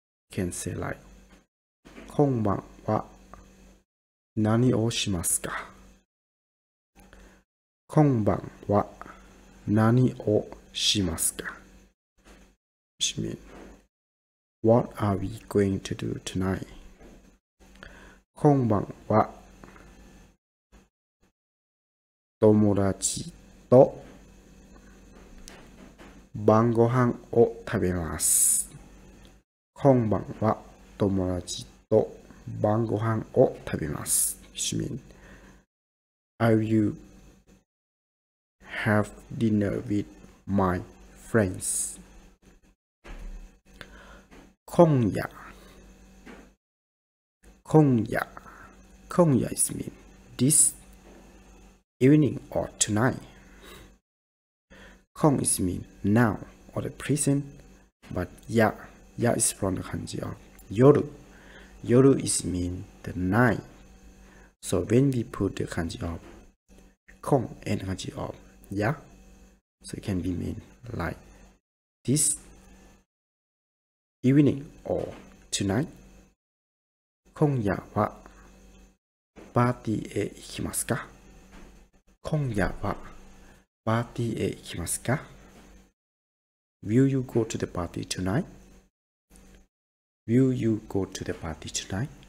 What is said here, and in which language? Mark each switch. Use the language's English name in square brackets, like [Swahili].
[English] Can say like [Japanese] 今晩は何をしますか? [English] Which mean What are we going to do tonight? [Japanese] 今晩は友達と晩ご飯を食べます。今晩は友達と晩ご飯を食べます。 [English] She mean, Are you have dinner with my friends? 今夜 is mean this evening or tonight. 今 is mean now or the present, but 夜 is from the kanji of 夜. 夜 is mean the night. So when we put the kanji of 今 and the kanji of 夜, so it can be mean like this. Evening or tonight? [Japanese] 今夜はパーティーへ行きますか? 今夜はパーティーへ行きますか? [English] Will you go to the party tonight? Will you go to the party tonight?